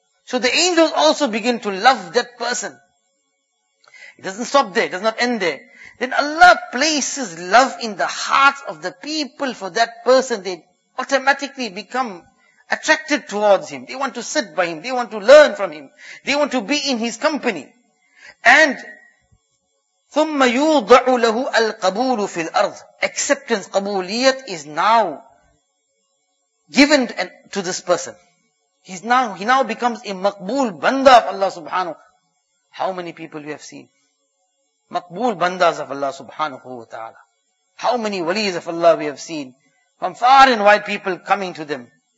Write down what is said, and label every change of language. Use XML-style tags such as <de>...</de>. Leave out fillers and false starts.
<en>So the angels also begin to love that person. It doesn't stop there. It does not end there. Then Allah places love in the hearts of the people for that person. They automatically become attracted towards him. They want to sit by him. They want to learn from him. They want to be in his company.</en> <ar>And ثُمَّ يُوضَعُ لَهُ الْقَبُولُ فِي الْأَرْضِ.</ar> <en>Acceptance, قَبُولِيَّةِ is now given to this person. He now becomes a maqbool banda of Allah subhanahu. How many people we have seen? Maqbool bandas of Allah subhanahu wa ta'ala. How many waliyas of Allah we have seen? From far and wide people coming to them.</en>